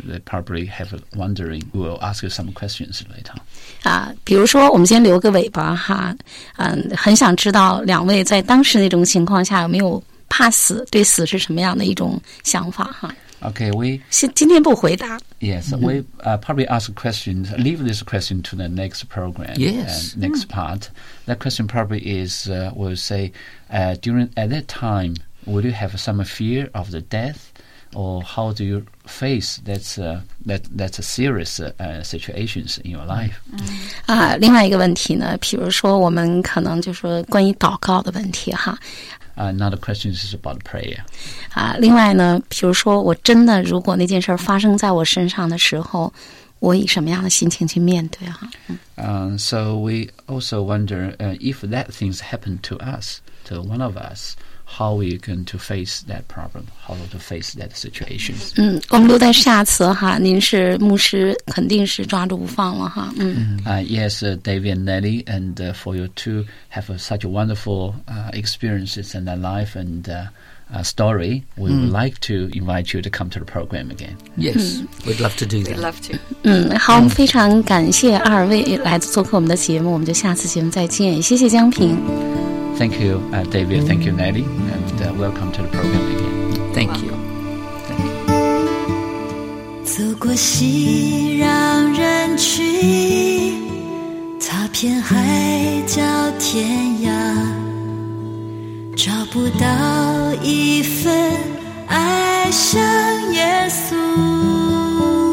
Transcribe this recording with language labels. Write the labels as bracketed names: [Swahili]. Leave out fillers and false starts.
[English] They probably have wondering. We will ask you some questions later. [Chinese] 比如说我们先留个尾巴哈，很想知道两位在当时那种情况下有没有怕死，对死是什么样的一种想法哈。 [English] Okay, we... [Chinese] 今天不回答。 [English] Yes, we probably ask questions, leave this question to the next program. Yes. And next part. That question probably is, we'll say, at that time, would you have some fear of the death? Or how do you face that's a serious situations in your life? [Chinese] 另外一个问题呢，比如说我们可能就是关于祷告的问题哈。 [English] Another question is about prayer. [Chinese] 另外呢，比如说我真的如果那件事发生在我身上的时候，我以什么样的心情去面对啊？ [English] So we also wonder if that things happen to us, to one of us, how are you going to face that problem, how to face that situation? [Chinese] 我们留在下次哈，您是牧师，肯定是抓住不放了哈。 [English] Yes, David and Nelly, and for you to have such a wonderful experiences in their life and story, we would like to invite you to come to the program again. Yes, we'd love to do that. We'd love to. [Chinese] 好，非常感谢二位来做客我们的节目，我们就下次节目再见，谢谢江平。 [English] Thank you, David. Thank you, Nelly. And welcome to the program again. Thank you. [Chinese] 走过熙攘人群，踏遍海角天涯，找不到一份爱像耶稣。